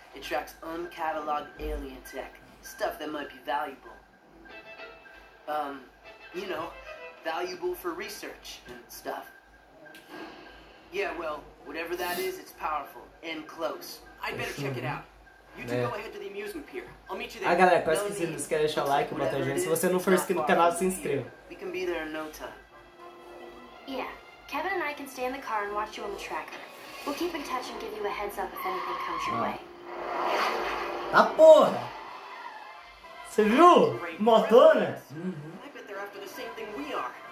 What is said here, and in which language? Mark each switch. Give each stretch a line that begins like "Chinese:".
English: It tracks uncatalogued alien tech. Stuff that might be valuable. You know, valuable for research and stuff. Yeah, well, whatever that is, it's powerful and close. I'd better check it out. You two go ahead to the amusement pier. I'll meet you there.
Portuguese: Ah, galera, quase esqueci, não esquece de deixar o like, bota a gente. Se você não for inscrito no canal, se inscreva.
English: We can be there in no time. Yeah, Kevin and I can stay in the car and watch you on the tracker. We'll keep in touch and give you a heads up if anything comes your way.
Portuguese: Tá porra! Você viu? Motona?
English: I bet they're after the same thing we are.